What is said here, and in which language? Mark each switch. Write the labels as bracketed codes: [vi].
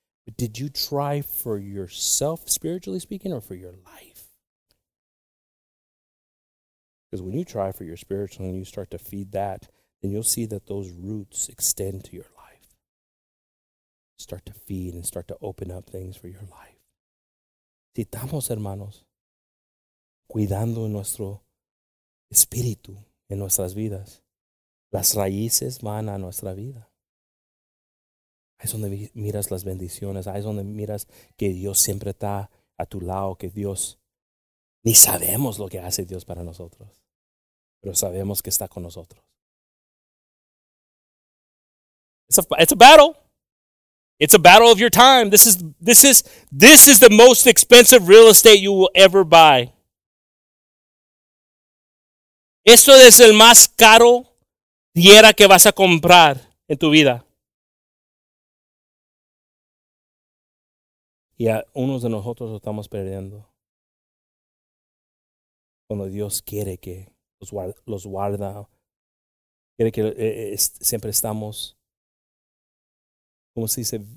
[en] But did you try for yourself, spiritually speaking, or for your life? Because when you try for your spiritual and you start to feed that, then you'll see that those roots extend to your life. Start to feed and start to open up things for your life. [es] Si estamos, hermanos, cuidando nuestro espíritu en nuestras vidas, las raíces van a nuestra vida. Ahí es donde miras las bendiciones, ahí es donde miras que Dios siempre está a tu lado, que Dios, ni sabemos lo que hace Dios para nosotros, pero sabemos que está con nosotros. [en] It's a battle. It's a battle of your time. This is the most expensive real estate you will ever buy. [es] Esto es el más caro tierra que vas a comprar en tu vida. Y a unos de nosotros lo estamos perdiendo. Cuando Dios quiere que los guarda. Quiere que siempre estamos... ¿Cómo se dice?